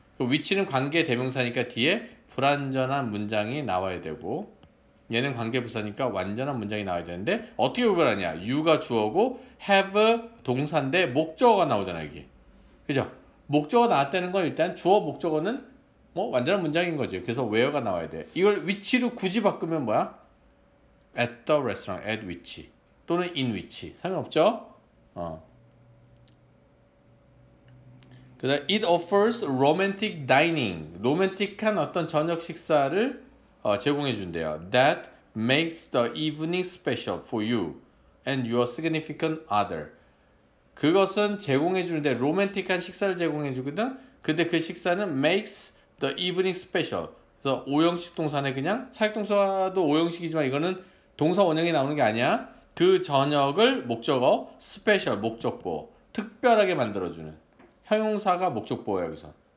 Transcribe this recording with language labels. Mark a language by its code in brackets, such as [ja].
[ko] which는 관계 대명사니까 뒤에 불완전한 문장이 나와야 되고 얘는 관계부사니까 완전한 문장이 나와야 되는데 어떻게 구별하냐? you가 주어고 have 동사인데 목적어가 나오잖아 이게. 그죠? 목적어 나왔다는 건 일단 주어 목적어는 뭐 완전한 문장인 거지. 그래서 where가 나와야 돼. 이걸 위치로 굳이 바꾸면 뭐야? [en] at the restaurant, at which 또는 in which [ko] 상관없죠? 그다음 [en] it offers romantic dining. [ko] 로맨틱한 어떤 저녁 식사를 제공해 준대요. [en] That makes the evening special for you and your significant other. [ko] 그것은 제공해 주는데 로맨틱한 식사를 제공해 주거든. 근데 그 식사는 [en] makes the evening special. [ko] 그래서 오형식 동사네 그냥. 사역동사도 오형식이지만 이거는 동사 원형이 나오는 게 아니야. 그 저녁을 목적어 special 목적보 특별하게 만들어주는 형용사가 목적보예요 여기서.